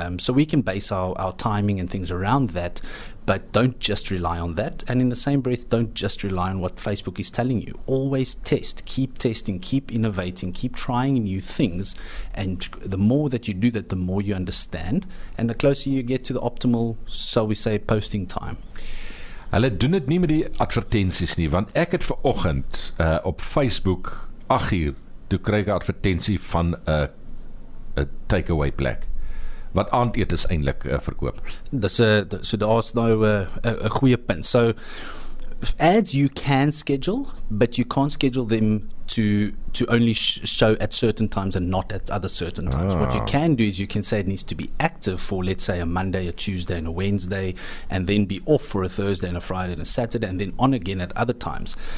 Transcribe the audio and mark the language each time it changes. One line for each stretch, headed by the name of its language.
English: So we can base our timing and things around that. But don't just rely on that. And in the same breath, don't just rely on what Facebook is telling you. Always test. Keep testing. Keep innovating. Keep trying new things. And the more that you do that, the more you understand. And the closer you get to the optimal, so we say, posting time.
Afrikaans: Hulle doen dit nie met die advertenties nie, want ek het vanoggend op Facebook 8:00 toe kry ek 'n advertensie van 'n takeaway plek. Wat aandeet is eintlik verkoop. Daar's nou 'n goeie punt.
English: So ads you can schedule, but you can't schedule them to only show at certain times and not at other certain times. What you can do is you can say it needs to be active for, let's say, a Monday, a Tuesday, and a Wednesday, and then be off for a Thursday and a Friday and a Saturday, and then on again at other times.